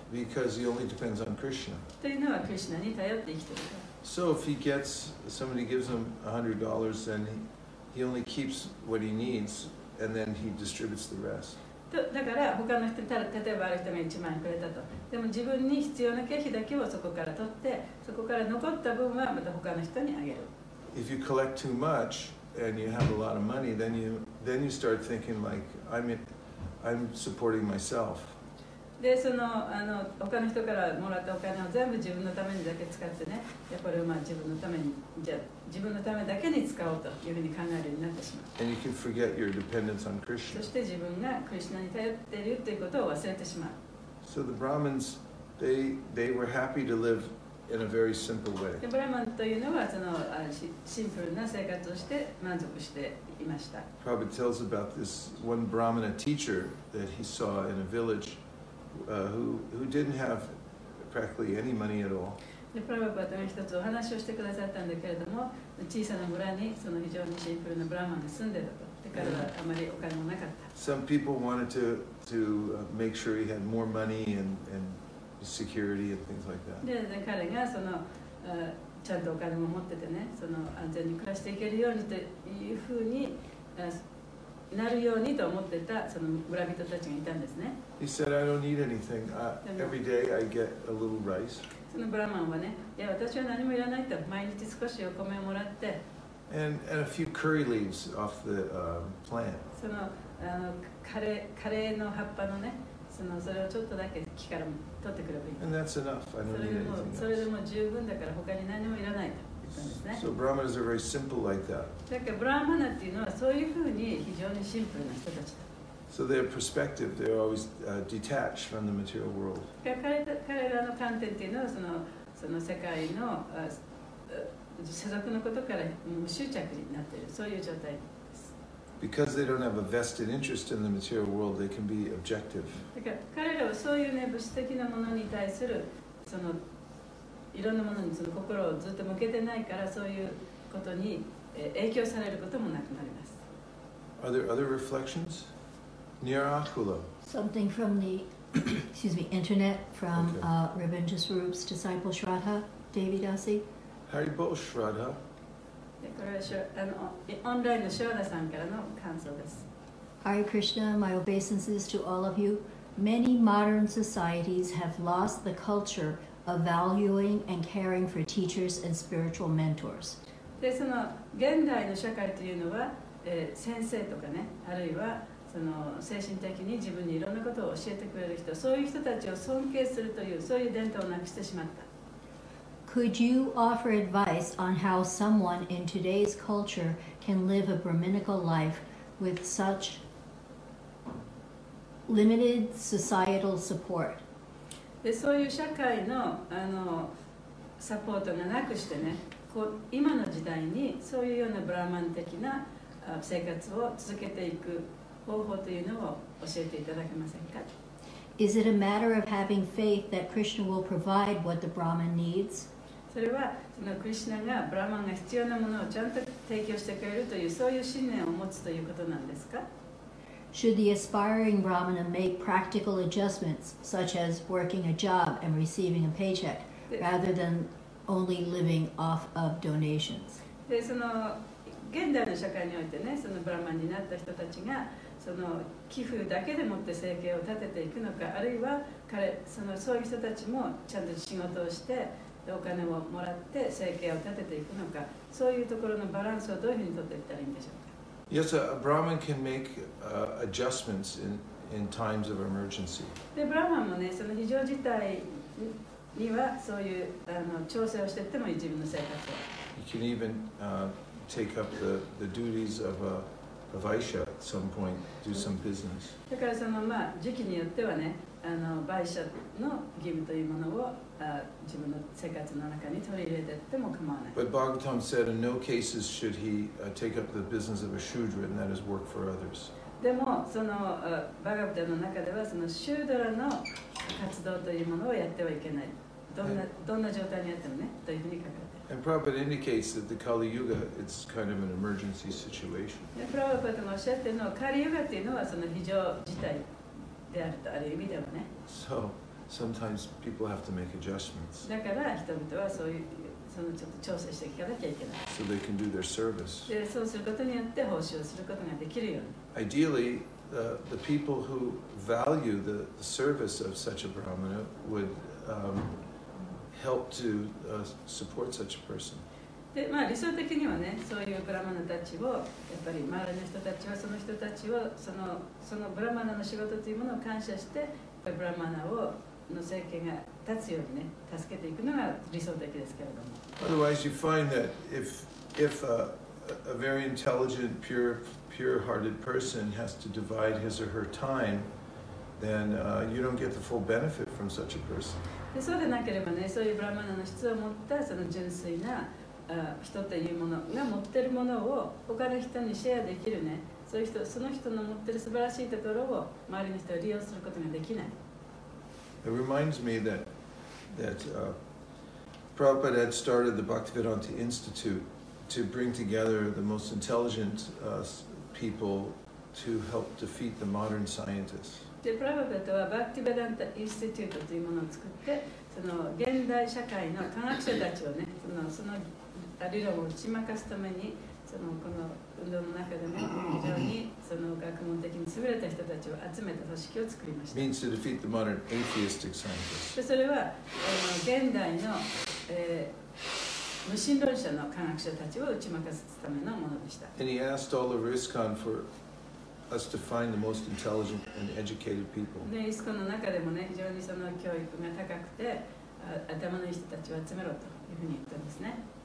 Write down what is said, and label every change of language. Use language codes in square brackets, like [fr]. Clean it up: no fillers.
[en] Because he only depends on Krishna. [ja] というのはクリシュナに頼って生きている。 [en] So if he gets, somebody gives him $100, then he only keeps what he needs, and then he distributes the rest. [ja] だから他の人、例えばある人が1万円くれたと。でも自分に必要な経費だけをそこから取って、そこから残った分はまた他の人にあげる。 [en] If you collect too much, and you have a lot of money, then you start thinking like, I'm supporting myself. [ja] で、その、あの、他の人からもらったお金を全部自分のためにだけ使ってね、で、これをまあ自分のために、じゃ自分のためだけに使おうというふうに考えるようになってしまう。 [en] And you can forget your dependence on Krishna. [ja] そして自分がクリシュナに頼っているということを忘れてしまう。 [en] So the Brahmins, they were happy to live in a very simple way. [ja] で、ブラマンというのはその、シンプルな生活をして満足していました。 [en] Prabhupada tells about this one Brahmana teacher that he saw in a village. Who didn't have practically any money at all. [ja] で、プラヴァパートが一つお話をしてくださったんだけれども、小さな村にその非常にシンプルなブラーマンが住んでたと。だからあまりお金もなかった。 [en] Some people wanted to make sure he had more money and security and things like that. [ja] で、彼がそのちゃんとお金も持っててね、その安全に暮らしていけるようにというふうに。なるようにと思ってたその村人たちがいたんですね。 [en] He said, I don't need anything. Every day I get a little rice. [ja] そのブラマンはね、いや私は何もいらないと、毎日少しお米をもらって。 [en] And a few curry leaves off the plant. [ja] そのカレーの葉っぱのね、それをちょっとだけ木から取ってくればいい。 [en] And that's enough. I don't need anything else. [ja] それでも十分だから他に何もいらないと。 [en] So Brahmanas are very simple like that. [ja] だからブラーマナっていうのはそういうふうに非常にシンプルな人たちだ。 [en] So their perspective, they're always detached from the material world. [ja] 彼らの観点っていうのはその世界の世俗のことから無執着になっているそういう状態です。 [en] Because they don't have a vested interest in the material world, they can be objective. [ja] だから彼らはそういうね、物質的なものに対するそのいろんなものにその心をずっと向けてないからそういうことに影響されることもなくなります。 [en] Are there other reflections? Nirakula. Something from the, excuse me, internet from okay. Ravindra Swarup's disciple Shraddha Devi Dasi. Hari Bol Shraddha. [ja] これはオンラインのショーダさんからの感想です。 [en] Hare Krishna, my obeisances to all of you. Many modern societies have lost the culture. Of valuing and caring for teachers and spiritual mentors. [ja] で、その現代の社会というのは、先生とかね、あるいはその精神的に自分にいろんなことを教えてくれる人、そういう人たちを尊敬するというそういう伝統をなくしてしまった。 [en] Could you offer advice on how someone in today's culture can live a Brahminical life with such limited societal support? [ja] でそういう社会 の, あのサポートがなくしてね、こう今の時代にそういうようなブラーマン的な生活を続けていく方法というのを教えていただけませんか。 [en] Is it a matter of having faith that Krishna will provide what the Brahman needs? [ja] それはそのクリシナがブラーマンが必要なものをちゃんと提供してくれるというそういう信念を持つということなんですか。 [en] Should the aspiring Brahmana make practical adjustments, such as working a job and receiving a paycheck, rather than only living off of donations? [ja] で、その現代の社会においてね、そのブラマンになった人たちが、その寄付だけでもって生計を立てていくのか、あるいは彼、そういう人たちもちゃんと仕事をして、お金をもらって生計を立てていくのか、そういうところのバランスをどういうふうに取っていったらいいんでしょうか。 [en] Yes, a Brahmin can make adjustments in times of emergency. [ja] で、ブラマンもね、その非常事態にはそういう調整をしていってもいい自分の生活を。 [en] You can even take up the duties of a Vaishya at some point, do some business. [ja] だからそのまあ時期によってはね、Vaishya の義務というものを自分の生活の中に取り入れていっても構わない。 [en] But Bhagavatam said in no cases should he take up the business of a Shudra and that is work for others. [ja] でもそのバガブタの中ではそのシュードラの活動というものをやってはいけない。どんな状態にあってもねというふうに書かれている。 [en] And Prabhupada indicates that the Kali Yuga is kind of an emergency situation. [ja] で、プラヴァパダもおっしゃっているのはカリユガというのはその非常事態であるとある意味ではね。 [en] SoSometimes people have to make adjustments. [ja] だから人々はそういうそのちょっと調整していかなきゃいけない。 [en] So they can do their service. [ja] でそうすることによって奉仕をすることができるように。 [en] Ideally, the people who value the service of such a brahmana would help to support such a person. [ja] でまあ理想的にはね、そういうブラマナたちをやっぱり周りの人たちはその人たちをそのブラマナの仕事というものを感謝して。ブラマナをの政権が立つようにね、助けていくのが理想的ですけれども。 [en] Otherwise, you find that if a very intelligent, pure-hearted person has to divide his or her time, then you don't get the full benefit from such a person. [ja] で、そうでなければね、そういうブラマナの質を持ったその純粋な人というものが持ってるものを他の人にシェアできるね。そういう人、その人の持ってる素晴らしいところを周りの人を利用することができない。 [en] It reminds me that Prabhupada had started the Bhaktivedanta Institute to bring together the most intelligent people to help defeat the modern scientists. [ja] で、プラヴァパダはバクティヴェダンタインスティテュートというものを作って、その現代社会の科学者たちをね、その理論を打ち負かすために、そのこの運動の中でも非常にその学問的に優れた人たちを集めた組織を作りました。 [en] Means to defeat the modern atheistic scientists. [ja] で、それは現代の、無神論者の科学者たちを打ち負かすためのものでした。 [en] And he asked all of ISKCON for us to find the most intelligent and educated people. [ja] で、ISKCONの中でもね、非常にその教育が高くて、頭のいい人たちを集めろというふうに言ったんですね。